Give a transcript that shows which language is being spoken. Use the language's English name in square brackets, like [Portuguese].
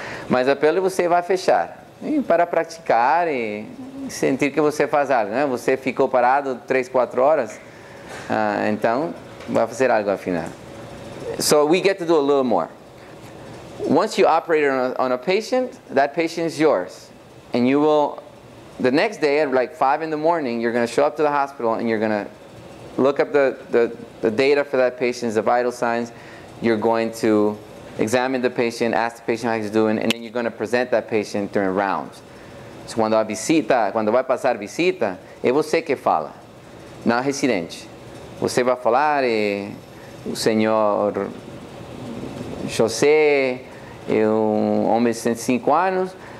[Portuguese] Mas a pele você vai fechar, e para praticar e sentir que você faz algo, né? Você ficou parado 3-4 horas, então vai fazer algo afinal. [English] So we get to do a little more. Once you operate on a patient, that patient is yours. And you will, the next day at like 5 in the morning, you're going to show up to the hospital and you're going to look up the data for that patient, the vital signs. You're going to examine the patient, ask the patient how he's doing, and then you're going to present that patient during rounds. [Portuguese] So quando vai passar a visita, é você que fala, na residente. Você vai falar e o senhor José, eu, homem de 105 anos,